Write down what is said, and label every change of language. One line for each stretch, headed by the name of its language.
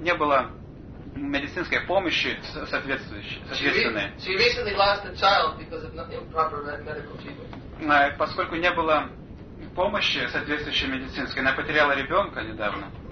Russian: Не было медицинской помощи соответственной.
English: She recently lost a child because of improper medical treatment.
Russian: Поскольку не было помощи соответствующей медицинской. Она потеряла ребенка недавно.